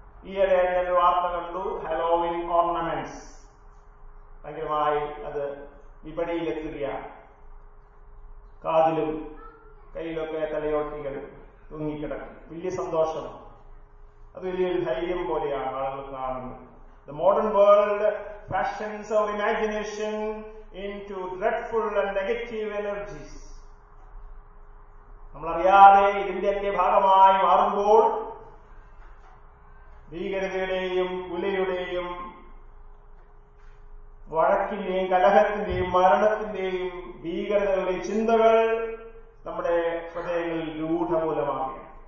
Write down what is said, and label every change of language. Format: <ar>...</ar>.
<ml>ഈയിടെ ഞാൻ വാർത്ത കണ്ടു, ഹാലോവിൻ ഓർണമെന്റ്സ് ഭയങ്കരമായി അത് വിപണിയിലെത്തുകയാണ്. കാതിലും കയ്യിലൊക്കെ തലയോട്ടികൾ തൂങ്ങിക്കിടക്കും. വലിയ സന്തോഷം, അത് വലിയൊരു ധൈര്യം പോലെയാണ് ആളുകൾ കാണുന്നത്.</ml> <en>The modern world fashions our imagination into dreadful and negative energies.</en> <ml>നമ്മളറിയാതെ ഇതിന്റെ ഭാഗമായി മാറുമ്പോൾ ഭീകരതയുടെയും ഉലയുടെയും വഴക്കിന്റെയും കലഹത്തിന്റെയും മരണത്തിന്റെയും ഭീകരതകളുടെയും ചിന്തകൾ നമ്മുടെ ഹൃദയങ്ങളിൽ രൂഢമൂലമാകും.</ml>